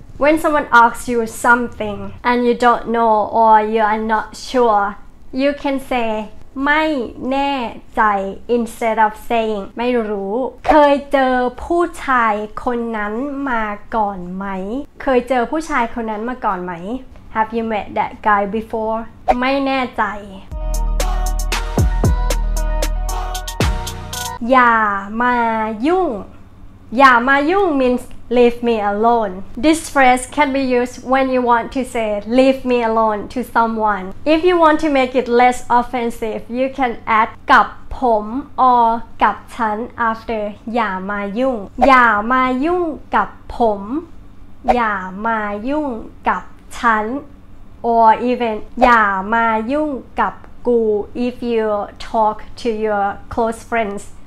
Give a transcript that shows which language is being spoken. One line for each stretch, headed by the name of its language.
English: When someone asks you something and you don't know or you are not sure, you can say
Thai: ไม่แน่ใจ
English: instead of saying
Thai: ไม่รู้เคยเจอผู้ชายคนนั้นมาก่อนไหม
English: เคยเจอผู้ชายคนนั้นมาก่อนไหม Have you met that guy before?
Thai: ไม่แน่ใจอย่ามายุ่งอย่ามายุ่ง
English: means leave me alone. This phrase can be used when you want to say leave me alone to someone. If you want to make it less offensive, you can add
Thai: กับผม
English: or
Thai: กับฉัน
English: after
Thai: อย่ามายุ่งอย่ามายุ่งกับผมอย่ามายุ่งกับฉัน
English: or even
Thai: อย่ามายุ่งกับกู
English: if you talk to your close friends.